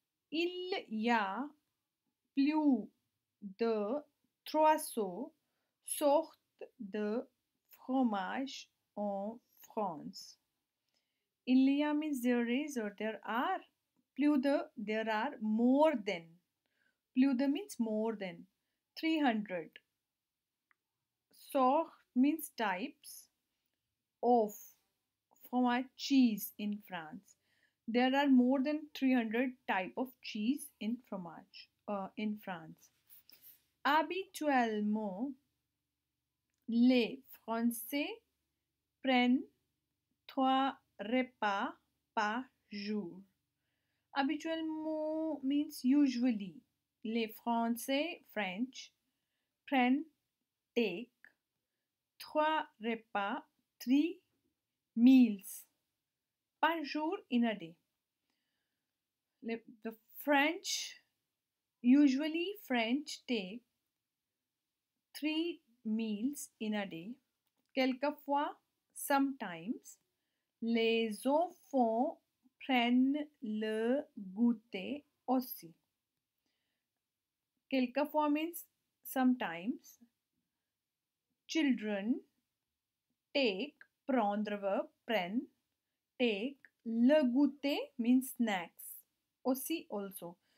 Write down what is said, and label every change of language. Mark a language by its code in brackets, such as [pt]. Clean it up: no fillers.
[fr] Il y a plus de 300 sortes de fromage en France. Il y a [en] means there is or there are. [fr] Plus de, [en] there are more than. Plus de means more than. 300. Sort means types of fromage cheese in France. There are more than 300 type of cheese in fromage in France. [fr] Habituellement, les Français prennent 3 repas par jour. [en] Habituellement means usually. [fr] Les Français, [en] French, [fr] prennent [en] take 3 [fr] repas, [en] 3 meals [fr] par jour [en] in a day. The French, usually French take 3 meals in a day. [fr] Quelquefois, [en] sometimes, [fr] les enfants prennent le goûter aussi. [en] Quelquefois means sometimes. Children take, [fr] prendre [en] verb, [fr] prennent, [en] take, [fr] le goûter [en] means snacks. [fr] Aussi, [en] also.